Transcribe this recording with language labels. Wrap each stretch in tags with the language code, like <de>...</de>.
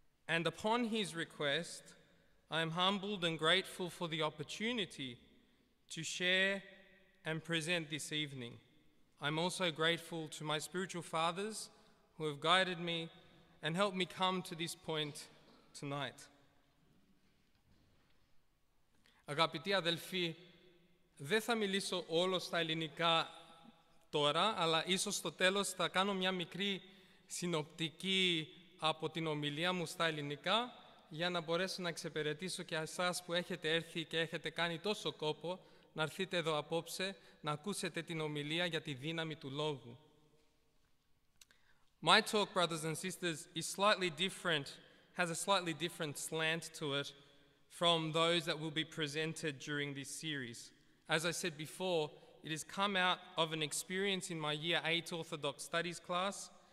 <en>And upon His request, I am humbled and grateful for the opportunity to share and present this evening. I'm also grateful to my spiritual fathers who have guided me and helped me come to this point tonight.</en> <el>Αγαπητοί αδελφοί, δεν θα μιλήσω όλο στα ελληνικά τώρα, αλλά ίσως στο τέλος θα κάνω μια μικρή συνοπτική από την ομιλία μου στα ελληνικά, για να μπορέσω να εξυπηρετήσω και εσάς που έχετε έρθει και έχετε κάνει τόσο κόπο να έρθετε εδώ απόψε να ακούσετε την ομιλία για τη δύναμη του λόγου.</el> <en>My talk, brothers and sisters, is slightly different, has a slightly different slant to it from those that will be presented during this series. As I said before, it has come out of an experience in my Year 8 Orthodox Studies class.</en>